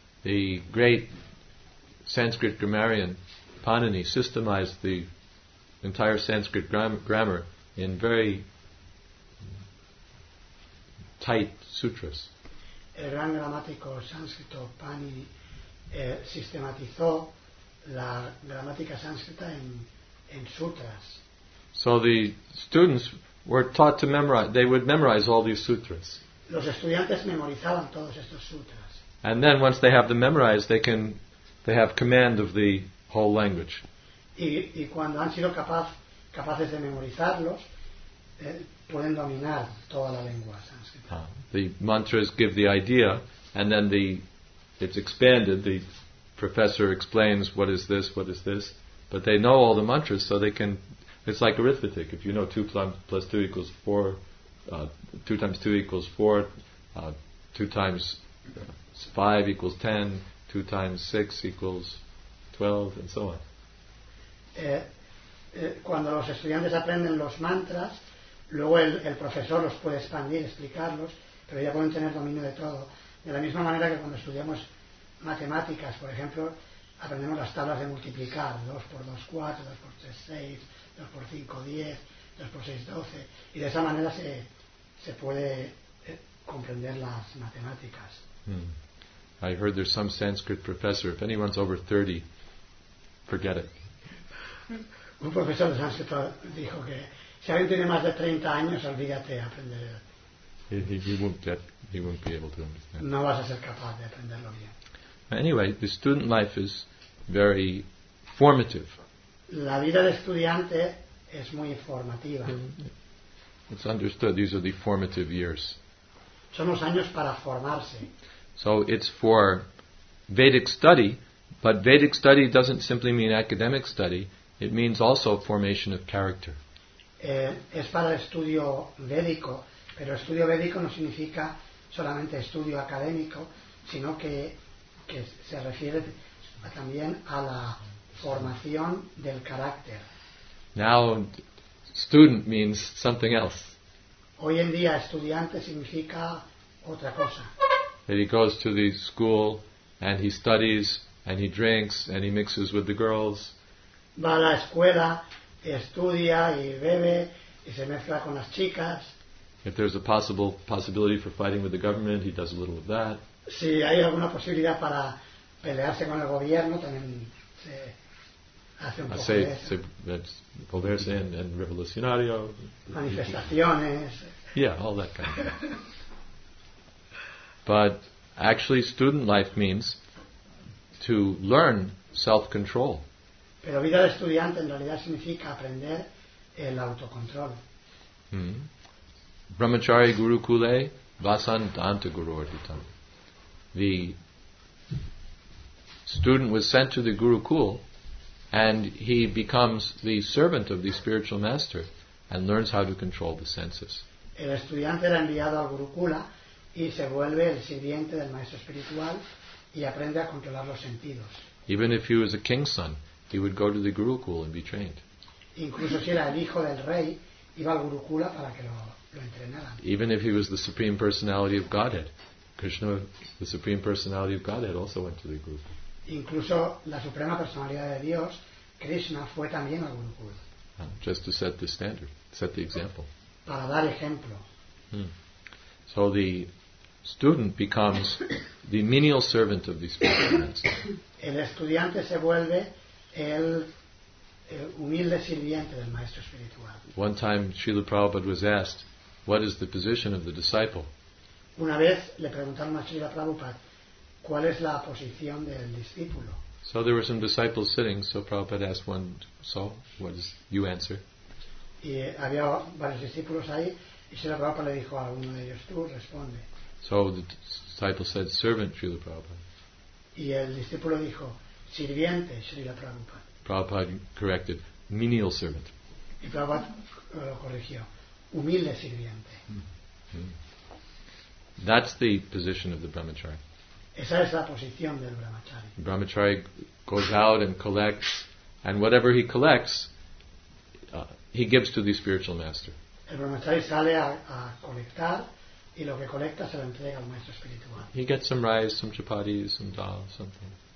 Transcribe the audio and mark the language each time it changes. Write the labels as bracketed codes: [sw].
[en] The great Sanskrit grammarian Panini systemized the entire Sanskrit grammar in very tight sutras. [es] El gran gramático sánscrito Panini sistematizó la gramática sánscrita en sutras. [en] So the students were taught to memorize, they would memorize all these sutras. [es] Los estudiantes memorizaban todos estos sutras. [en] And then once they have them memorized, they have command of the whole language. [es] Y cuando han sido capaces de memorizarlos, pueden dominar toda la lengua sánscrita. [en] The mantras give the idea, and then it's expanded, the professor explains what is this, but they know all the mantras, so they can. It's like arithmetic. If you know 2 plus 2 equals 4, 2 times 2 equals 4, 2 times 5 equals 10, 2 times 6 equals 12, and so on. [es] Cuando los estudiantes aprenden los mantras, luego el profesor los puede expandir, explicarlos, pero ya pueden tener dominio de todo. De la misma manera que cuando estudiamos matemáticas, por ejemplo, aprendemos las tablas de multiplicar, 2 por 2, 4, 2 por 3, 6, 2 por 5, 10, 2 por 6, 12. Y de esa manera se puede comprender las matemáticas. [en] I heard there's some Sanskrit professor, if anyone's over 30, forget it. [es] Un profesor de Sanskrit dijo que si alguien tiene más de 30 años, olvídate de aprender. [en] He won't be able to understand. [es] No vas a ser capaz de aprenderlo bien. [en] Anyway, the student life is very formative. [es] La vida de estudiante es muy formativa. [en] It's understood these are the formative years. [es] Son los años para formarse. [en] So it's for Vedic study, but Vedic study doesn't simply mean academic study, it means also formation of character. [es] Es para el estudio védico, pero estudio védico no significa solamente estudio académico, sino que se refiere también a la formación del carácter. [en] Now, student means something else. [es] Hoy en día, estudiante significa otra cosa. [en] That he goes to the school, and he studies, and he drinks, and he mixes with the girls. [es] Va a la escuela, estudia, y bebe, y se mezcla con las chicas. [en] If there's a possibility for fighting with the government, he does a little of that. [es] Si hay alguna posibilidad para pelearse con el gobierno, también se hace un poco de eso. Pelearse en revolucionario. Manifestaciones. [en] Yeah, all that kind of thing. But actually, student life means to learn self-control. [es] Pero vida de estudiante en realidad significa aprender el autocontrol. [sa] Brahmachari Gurukule Vasantanta Guru Arditam. [en] The student was sent to the Gurukul and he becomes the servant of the spiritual master and learns how to control the senses. [es] El estudiante era enviado a Gurukula y se vuelve el sirviente del maestro espiritual y aprende a controlar los sentidos. [en] Even if he was a king's son, he would go to the Gurukul and be trained. [es] Incluso si era el hijo del rey, iba al Gurukula para que lo entrenaran. [en] Even if he was the supreme personality of Godhead, Krishna, the supreme personality of Godhead, also went to the Gurukul. [es] Incluso la suprema personalidad de Dios, Krishna, fue también al Gurukul. [en] Just to set the standard, set the example. [es] Para dar ejemplo. [en] So the student becomes the menial servant of the spiritual master. [es] El estudiante se vuelve el humilde sirviente del maestro espiritual. [en] One time Srila Prabhupada was asked, what is the position of the disciple? [es] Una vez le preguntaron a Srila Prabhupada, ¿cuál es la posición del discípulo? [en] So there were some disciples sitting, so Prabhupada asked one, so what is you answer? [es] Y había varios discípulos ahí, y Srila Prabhupada le dijo a uno de ellos, tú responde. [en] So the disciple said, servant, Srila Prabhupada. [es] Y el discípulo dijo, sirviente, Srila Prabhupada. [en] Prabhupada corrected, menial servant. [es] Y Prabhupada lo corrigió, humilde sirviente. [en] That's the position of the brahmachari. [es] Esa es la posición del brahmachari. [en] The brahmachari goes out and collects, and whatever he collects, he gives to the spiritual master. [es] El brahmachari sale a colectar y lo que colecta se lo entrega al maestro espiritual. [en] He gets some rice, some chapatis, some dal, something.